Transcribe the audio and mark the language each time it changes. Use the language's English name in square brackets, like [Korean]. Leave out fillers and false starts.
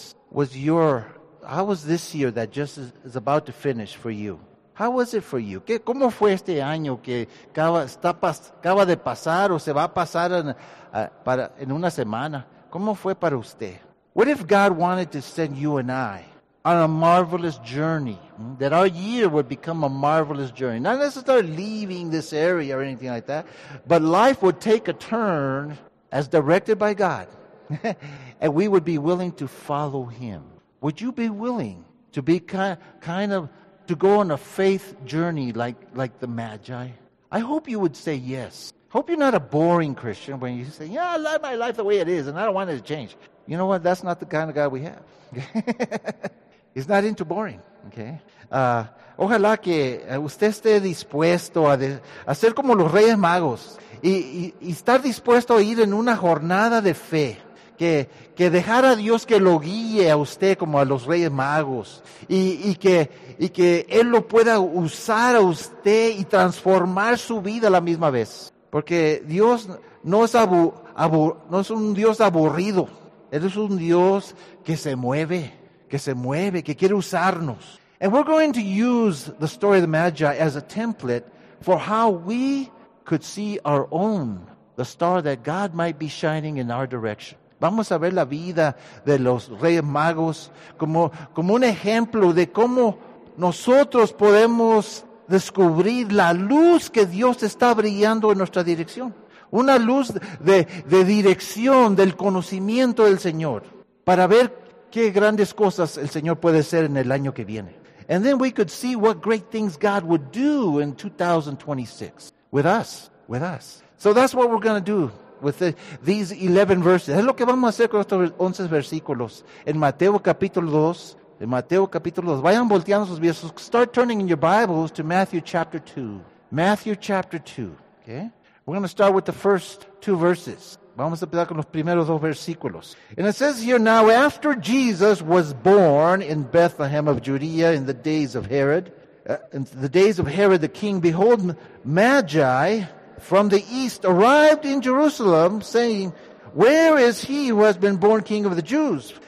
[English] How was this year that just is about to finish for you? How was it for you? [Spanish] ¿Cómo fue este año que acaba de pasar o se va a pasar en una semana? ¿Cómo fue para usted? [English] What if God wanted to send you and I on a marvelous journey? That our year would become a marvelous journey. Not necessarily leaving this area or anything like that. But life would take a turn as directed by God. And we would be willing to follow him. Would you be willing to be to go on a faith journey like the Magi? I hope you would say yes. Hope you're not a boring Christian when you say, yeah, I love my life the way it is and I don't want it to change. You know what? That's not the kind of guy we have. He's not into boring, okay? [Spanish] Ojalá que usted esté dispuesto a ser como los Reyes Magos y estar dispuesto a ir en una jornada de fe. Que dejar a Dios que lo guíe a usted como a los Reyes Magos y que Él lo pueda usar a usted y transformar su vida a la misma vez. Porque Dios no es un Dios aburrido. Él es un Dios que se mueve, que quiere usarnos. [English] And we're going to use the story of the Magi as a template for how we could see our own, the star that God might be shining in our direction. [Spanish] Vamos a ver la vida de los Reyes Magos como un ejemplo de cómo nosotros podemos descubrir la luz que Dios está brillando en nuestra dirección. Una luz de dirección del conocimiento del Señor para ver qué grandes cosas el Señor puede hacer en el año que viene. [English] And then we could see what great things God would do in 2026 with us. So that's what we're going to do. With these 11 verses. [Spanish] Es lo que vamos a hacer con estos 11 versículos. En Mateo capítulo 2. En Mateo capítulo 2. Vayan volteando sus versos. [English] Start turning in your Bibles to Matthew chapter 2. Matthew chapter 2. Okay. We're going to start with the first two verses. Vamos a empezar con los primeros dos versículos. And it says here, now after Jesus was born in Bethlehem of Judea in the days of Herod. In the days of Herod the king, behold, Magi from the east arrived in Jerusalem, saying, where is he who has been born king of the Jews?